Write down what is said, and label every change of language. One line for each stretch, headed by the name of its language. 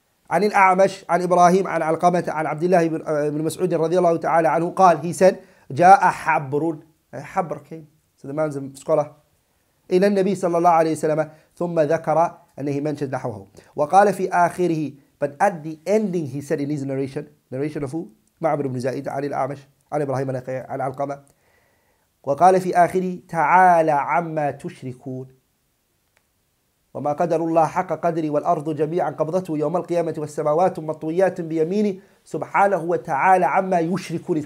Arabic: عن الأعمش عن إبراهيم عن علقمة عن عبد الله بن مسعود رضي الله تعالى عنه قال,
English: he said,
Arabic: جاء حبر.
English: حبر came. So the man's a scholar.
Arabic: إلى النبي صلى الله عليه وسلم ثم ذكر أنه منشد نحوه وقال في آخره.
English: But at the ending he said in his narration, narration of who?
Arabic: معمر بن زائدة عن الأعمش عن إبراهيم عن علقمة. وقال في آخره تعالى عما تشركون وما قدر الله حق قدري والأرض جميعا قبضته يوم القيامة والسماوات مطويات بيميني سبحانه وتعالى عما يشركون.